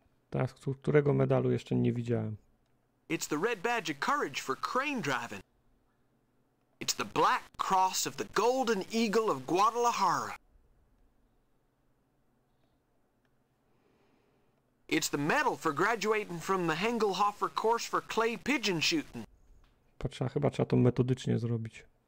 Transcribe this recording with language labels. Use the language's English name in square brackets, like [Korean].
[Polish] Tak, którego medalu jeszcze nie widziałem. [English] It's the red badge of courage for crane driving. It's the black cross of the golden eagle of Guadalajara. It's the medal for graduating from the Hengelhofer course for clay pigeon shooting. [Polish] Chyba trzeba to metodycznie zrobić.